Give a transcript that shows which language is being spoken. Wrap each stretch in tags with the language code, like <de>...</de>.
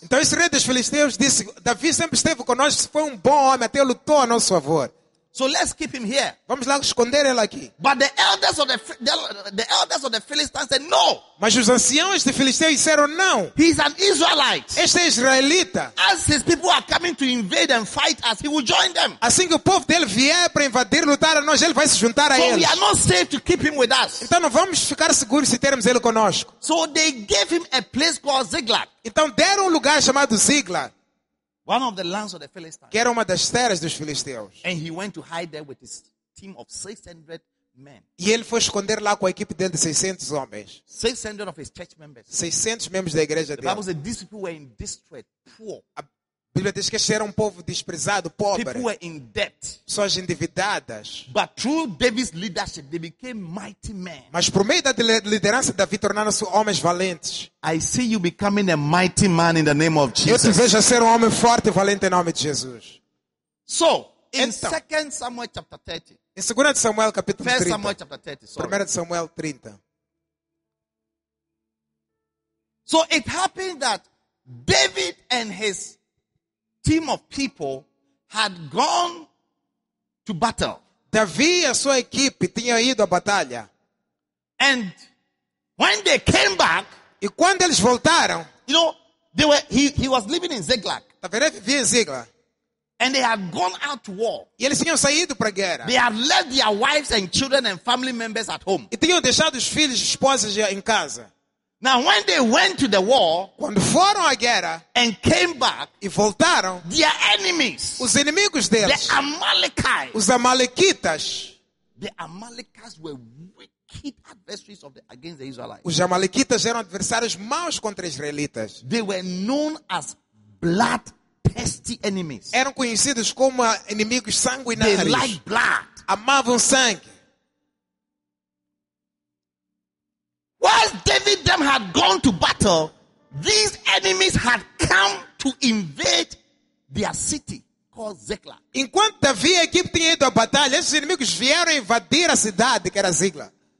<pt>Então esse rei dos Filisteus disse, Davi sempre esteve conosco, foi bom homem, até lutou a nosso favor.</pt> <en>So let's keep him here.</en> <pt>Vamos lá esconder ele aqui.</pt> <en>But the elders of the Philistines said no.</en> <pt>Mas os anciãos de Filisteus disseram não.</pt> <en>He's an Israelite.</en> <pt>Este é israelita.</pt> <en>As his people are coming to invade and fight us, he will join them.</en> <pt>Assim que o povo dele vier para invadir e lutar a nós, ele vai se juntar a</pt> <en>so</en> <pt>eles.</pt> <en>We are not safe to keep him with us.</en> <pt>Então não vamos ficar seguros se termos ele conosco.</pt> <en>So they gave him a place called Ziklag.</en> <pt>Então deram lugar chamado Ziklag.</pt> <en>One of the lands of the Philistines.</en> <pt>Que era uma das terras dos Filisteus.</pt> <en>And he went to hide there with his team of 600 men.</en> <pt>E ele foi esconder lá com a equipe dele de 600 homens.</pt> <en>600 of his church members.</en> <pt>600 membros da igreja</pt> <en>dele. The Bible said, were in distress, poor.</en> <pt>A Bíblia diz que este era um povo desprezado, pobre.</pt> <en>People were in debt.</en> <pt>Pessoas endividadas.</pt> <en>But through David's leadership, they became mighty men.</en> <pt>Mas por meio da liderança de Davi, tornaram-se homens valentes.</pt> <en>I see you becoming a mighty man in the name of Jesus.</en> <pt>Eu te vejo a ser homem forte e valente em nome de Jesus.</pt> <en>So, in 2 Samuel chapter 30.</en> <pt>Em 2 Samuel capítulo</pt> <en>30. 1 Samuel chapter 30, sorry.</en> <pt>1 Samuel 30.</pt> <en>So, it happened that David and his team of people had gone to battle.</en> <pt>Davi e a sua equipe tinham ido à batalha.</pt> <en>And when they came back,</en> <pt>e quando eles voltaram,</pt> <en>you know, he was living in Ziklag.</en> <pt>Davi vivia em Ziklag.</pt> <en>And they had gone out to war.</en> <pt>E eles tinham saído para a guerra.</pt> <en>They had left their wives and children and family members at home.</en> <pt>E tinham deixado os filhos e esposas em casa.</pt> <en>Now when they went to the war,</en> <pt>quando foram à guerra,</pt> <en>and came back,</en> <pt>e voltaram,</pt> <en>their enemies,</en> <pt>os inimigos deles,</pt> <en>the Amalekites,</en> <pt>os Amalequitas,</pt> <en>the Amalekites were wicked adversaries of the against the Israelites.</en> <pt>Os Amalequitas eram adversários maus contra os israelitas.</pt> <en>They were known as bloodthirsty enemies.</en> <pt>Eram conhecidos como inimigos sanguinários.</pt> <en>They liked blood.</en> <pt>Amavam sangue.</pt> <en>While David them had gone to battle, these enemies had come to invade their city called Ziklag.</en> <pt>Enquanto Davi e a equipe tinham ido à batalha, esses inimigos vieram invadir a cidade que era Ziklag.</pt>